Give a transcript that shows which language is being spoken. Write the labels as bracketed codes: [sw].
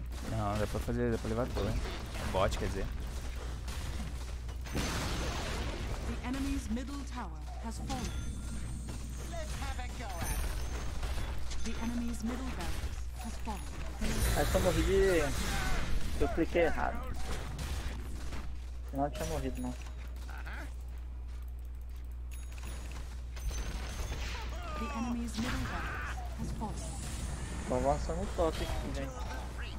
[pt] Não, dá pra fazer, dá pra levar dor, hein? Bot, quer dizer. [en] The enemy's middle tower has fallen. Let's have a go at the enemy's middle barracks has fallen. [pt] Aí só morri de. Eu cliquei errado. Não tinha morrido, não. [en] The enemy's middle barracks has fallen. [pt] Vamos avançar no top aqui, gente.